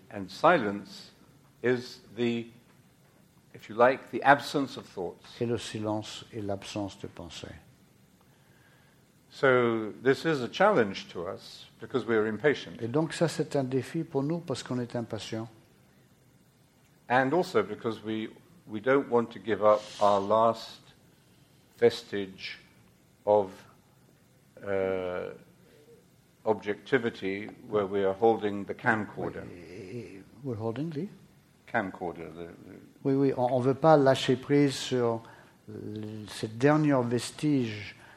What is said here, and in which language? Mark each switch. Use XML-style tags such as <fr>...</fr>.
<en>And silence is the, if you like, the absence of thoughts.</en> <fr>Et le silence est l'absence de pensée.</fr> <en>So this is a challenge to us because we are impatient.</en> <fr>Et donc ça c'est un défi pour nous parce qu'on est impatient.</fr> <en>And also because we don't want to give up our last vestige of objectivity where we are holding the camcorder. We're holding the camcorder.</en> <fr>Oui, on veut pas lâcher prise sur cette dernière vestige.</fr>